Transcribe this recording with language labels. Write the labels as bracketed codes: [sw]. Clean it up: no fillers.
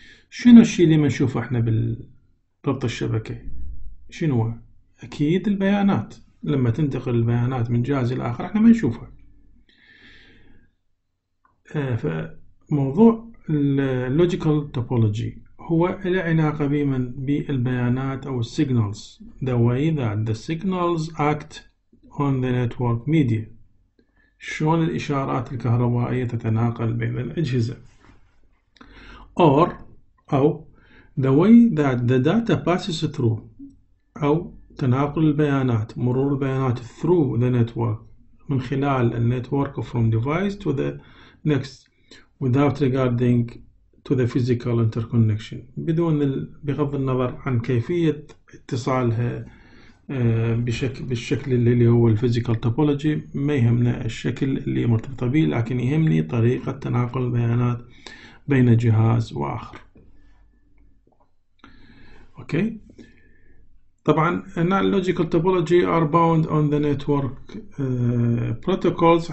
[ar] شنو الشيء اللي ما نشوفه احنا بالربط الشبكة؟ شنو؟ اكيد البيانات، لما تنتقل البيانات من جهاز الى اخر احنا ما نشوفها. فموضوع اللوجيكال توبولوجي هو له علاقة بمن، بالبيانات او السيجنالز. [en] The way that the signals act on the network media، [ar] شلون الإشارات الكهربائية تتناقل بين الأجهزة. أو [en] the way that the data passes through، [ar] أو تناقل البيانات، مرور البيانات [en] through the network، [ar] من خلال [en] the network from device to the next without regarding to the physical interconnection، [ar] بدون بغض النظر عن كيفية اتصالها بالشكل اللي هو الفيزيكال توبولوجي. ما يهمنا الشكل اللي مرتبط به، لكن يهمني طريقة تناقل البيانات بين جهاز وآخر. أوكي، طبعا نعم [en] اللوجيكال topology are bound on the network protocols.